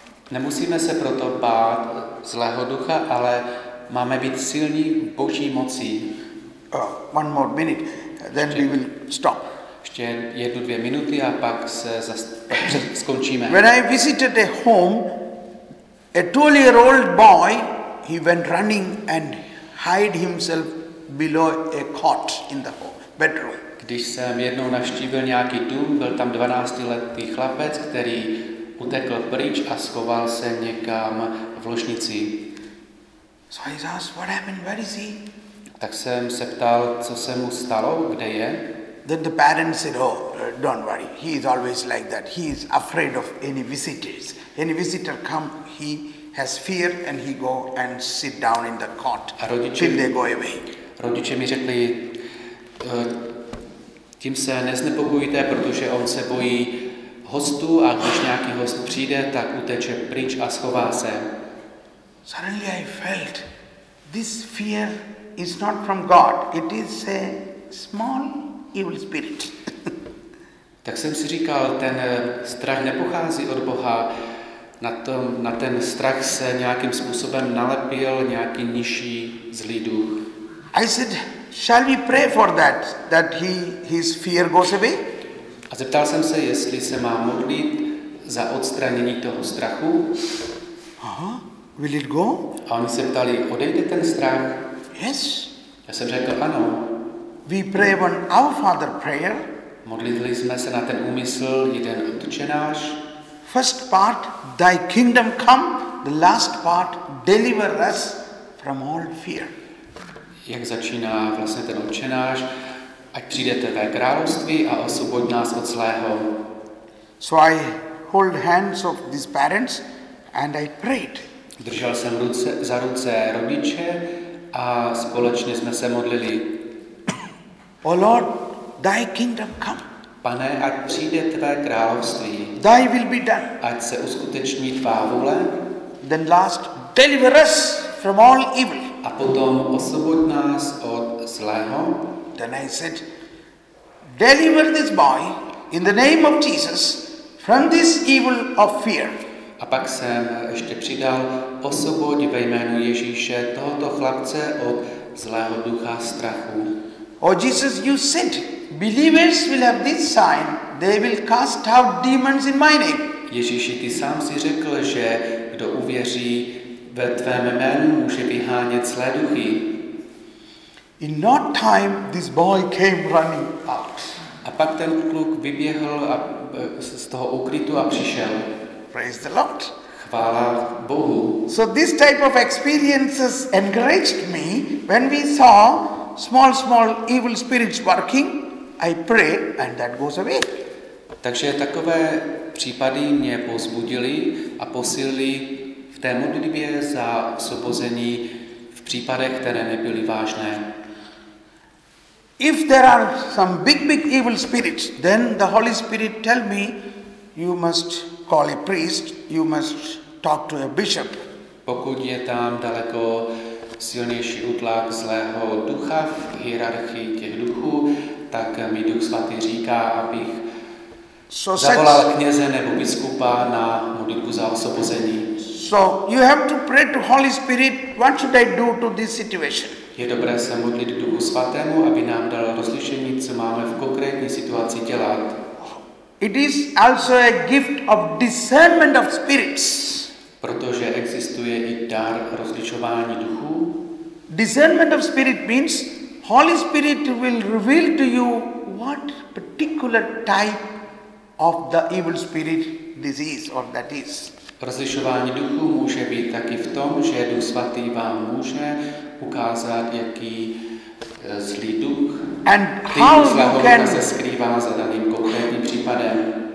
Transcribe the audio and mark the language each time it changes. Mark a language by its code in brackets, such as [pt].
[cs] Nemusíme se proto bát zlého ducha, ale máme být silní Boží mocí. [en] One more minute, then [cs] ještě, [en] we will stop. [cs] Ještě jednu, dvě minuty a pak se skončíme. [en] When I visited a home, a 12-year-old boy, he went running and hid himself below a cot in the home, bedroom. [cs] Když jsem jednou navštívil nějaký dům, byl tam 12-letý chlapec, který utekl pryč a schoval se někam v ložnici. [en] So I asked, what happened, where is he? [cs] Tak jsem se ptal, co se mu stalo, kde je. [en] Then the parents said, oh, don't worry, he is always like that. He is afraid of any visitors. Any visitor come, he has fear and he go and sit down in the cot till they go away. [cs] Rodiče mi řekli, tím se neznepokojujte, protože on se bojí hostů a když nějaký host přijde, tak uteče pryč a schová se. [en] Suddenly I felt this fear is not from God. It is a small evil spirit. [cs] Tak jsem si říkal, ten strach nepochází od Boha. Na ten strach se nějakým způsobem nalepil nějaký nižší zlý duch. [en] I said, shall we pray for that his fear goes away? [cs] A zeptal jsem se, jestli se má modlit za odstranění toho strachu. [en] Aha, will it go? [cs] A oni se ptali, odejde ten strach? [en] Yes. [cs] Já jsem řekl ano. [en] We pray one Our Father prayer. [cs] Modlili jsme se na ten úmysl jeden Otče náš. [en] First part, thy kingdom come. The last part, deliver us from all fear. [cs] Jak začíná vlastně ten Otčenáš? Ať přijde tvé království a osvoboď nás od zlého. [en] So I hold hands of these parents and I prayed. [cs] Držel jsem ruce, za ruce rodiče a společně jsme se modlili. [en] O Lord, thy kingdom come. [cs] Pane, ať přijde tvé království. [en] Thy will be done. [cs] Ať se uskuteční tvá vůle. [en] Then last, deliver us from all evil. [cs] A potom osvoboď nás od zlého. [en] Then I said, deliver this boy in the name of Jesus from this evil of fear. [cs] A pak jsem ještě přidal, osvoboď ve jménu Ježíše tohoto chlapce od zlého ducha strachu. [en] O Jesus, you said, believers will have this sign, they will cast out demons in my name. [cs] Ježíši, ty sám si řekl, že kdo uvěří ve tvém jménu, může vyhánět zlé duchy. [en] In no time this boy came running out. [cs] A pak ten kluk vyběhl a z toho ukrytu a přišel. [en] Praise the Lord. [cs] Chvála Bohu. [en] So this type of experiences encouraged me when we saw small evil spirits working, I pray and that goes away. [cs] Takže takové případy mě povzbudily a posilily v té modlitbě za osvobození v případech, které nebyly vážné. [en] If there are some big evil spirits, then the Holy Spirit tell me, you must call a priest, you must talk to a bishop. [cs] Pokud je tam daleko silnější útlak zlého ducha v hierarchii těch duchů, tak mi Duch Svatý říká, abych zavolal kněze nebo biskupa na modlitbu za osvobození. [en] So you have to pray to Holy Spirit, what should I do to this situation? [cs] Je dobré se modlit Duchu Svatému, aby nám dal rozlišení, co máme v konkrétní situaci dělat. [en] It is also a gift of discernment of spirits. [cs] Protože existuje i dar rozlišování duchů. [en] Discernment of spirit means Holy Spirit will reveal to you what particular type of the evil spirit disease or that is. [cs] Rozlišování duchů může být taky v tom, že Duch Svatý vám může ukázat, jaký zlý duch [en] and how [cs] zlého ducha se skrývá za daným konkrétním případem.